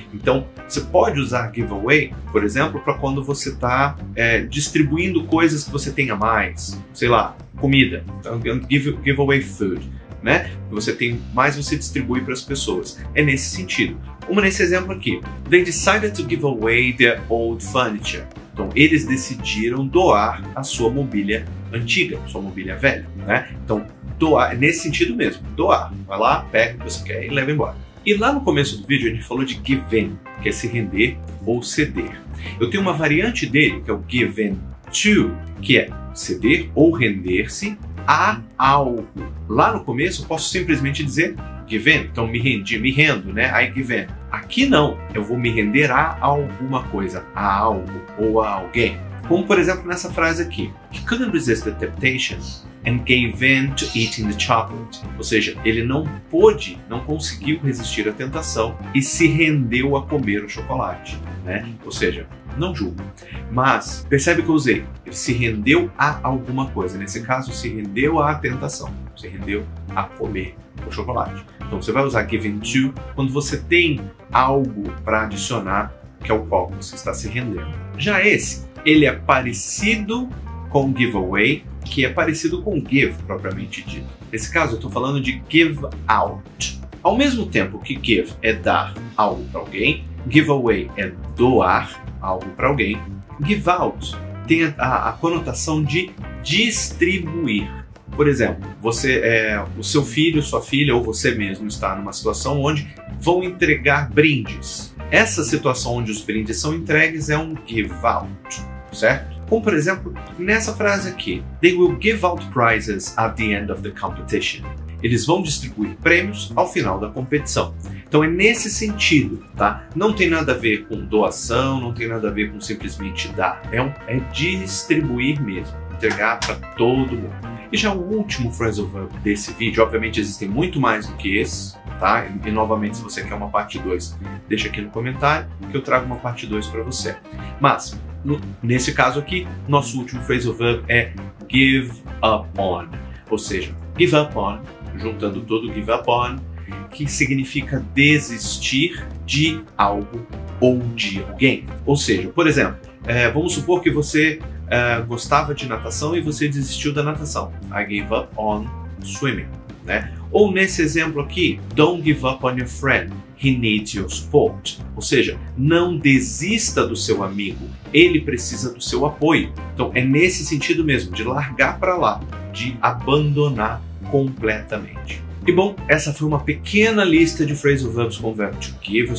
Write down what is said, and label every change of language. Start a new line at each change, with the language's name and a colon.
Portuguese: Então, você pode usar give away, por exemplo, para quando você está distribuindo coisas que você tem a mais, sei lá, comida,
English: give away food.
Portuguese: Né? Você tem mais, você distribui para as pessoas. É nesse sentido. Como nesse exemplo aqui.
English: They decided to give away their old furniture.
Portuguese: Então, eles decidiram doar a sua mobília antiga, sua mobília velha. Né? Então, doar, nesse sentido mesmo. Doar. Vai lá, pega o que você quer e leva embora. E lá no começo do vídeo, a gente falou de give in, que é se render ou ceder. Eu tenho uma variante dele, que é o give in to, que é ceder ou render-se a algo. Lá no começo, eu posso simplesmente dizer give in. Então, me rendi, me rendo, né?
English: I give in.
Portuguese: Aqui não. Eu vou me render a alguma coisa, a algo ou a alguém. Como, por exemplo, nessa frase aqui.
English: He couldn't resist the temptation and gave in to eating the chocolate.
Portuguese: Ou seja, ele não pôde, não conseguiu resistir à tentação e se rendeu a comer o chocolate, né? Ou seja, não julgo. Mas percebe que eu usei. Ele se rendeu a alguma coisa. Nesse caso, se rendeu à tentação. Se rendeu a comer o chocolate. Então, você vai usar give in to quando você tem algo para adicionar que é o qual você está se rendendo. Já esse, ele é parecido com giveaway, que é parecido com give, propriamente dito. Nesse caso, eu estou falando de give out. Ao mesmo tempo que give é dar algo para alguém, giveaway é doar algo para alguém, give out tem a conotação de distribuir. Por exemplo, você, o seu filho, sua filha ou você mesmo está numa situação onde vão entregar brindes. Essa situação onde os brindes são entregues é um give out, certo? Como, por exemplo, nessa frase aqui.
English: They will give out prizes at the end of the competition.
Portuguese: Eles vão distribuir prêmios ao final da competição. Então é nesse sentido, tá? Não tem nada a ver com doação, não tem nada a ver com simplesmente dar. É distribuir mesmo, entregar para todo mundo. E já o último phrasal verb desse vídeo, obviamente existem muito mais do que esse, tá? E novamente, se você quer uma parte 2, deixa aqui no comentário que eu trago uma parte 2 para você. Mas, nesse caso aqui, nosso último phrasal verb é give up on. Ou seja, give up on, juntando todo give up on, que significa desistir de algo ou de alguém. Ou seja, por exemplo, vamos supor que você gostava de natação e você desistiu da natação.
English: I gave up on swimming, né?
Portuguese: Ou nesse exemplo aqui,
English: don't give up on your friend. He needs your support.
Portuguese: Ou seja, não desista do seu amigo. Ele precisa do seu apoio. Então é nesse sentido mesmo, de largar para lá, de abandonar completamente. E bom, essa foi uma pequena lista de phrasal verbs com o verbo to give.